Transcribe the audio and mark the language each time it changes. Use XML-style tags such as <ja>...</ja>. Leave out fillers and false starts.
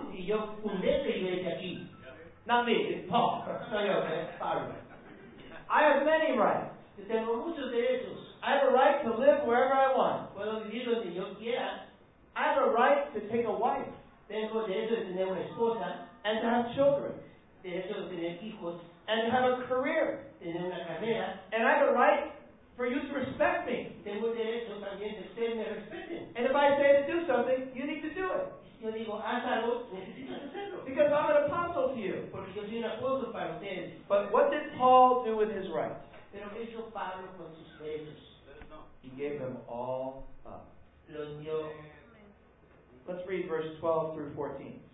<es>Y yo fundé la iglesia aquí.</es> <en>Not me, it's Paul. I have many rights.</en> <es>Yo tengo muchos derechos.</es> <en>I have a right to live wherever I want.</en> <es>Puedo vivir donde yo quiera.</es> <en>I have a right to take a wife.</en> <es>Tengo derecho de tener una esposa.</es> <en>And to have children.</en> <es>Derecho de tener hijos.</es> <en>And to have a career.</en> <es>Tener una carrera.</es> <en>And I have a right for you to respect me.</en> <es>Tengo derecho también de ser me respeten.</es> <en>And if I say to do something, you need to do it.</en> <es>Yo digo, haz algo, necesitas hacerlo.</es> <en>Because I'm an apostle to you.</en> <es>Porque yo soy un apóstol para ustedes.</es> <en>But what did Paul do with his rights?</en> <es>Pero ¿qué hizo Pablo con sus derechos?</es> <en>He gave them all up.</en> <es>Los dio.</es> <en>Let's read verse 12 through 14.</en>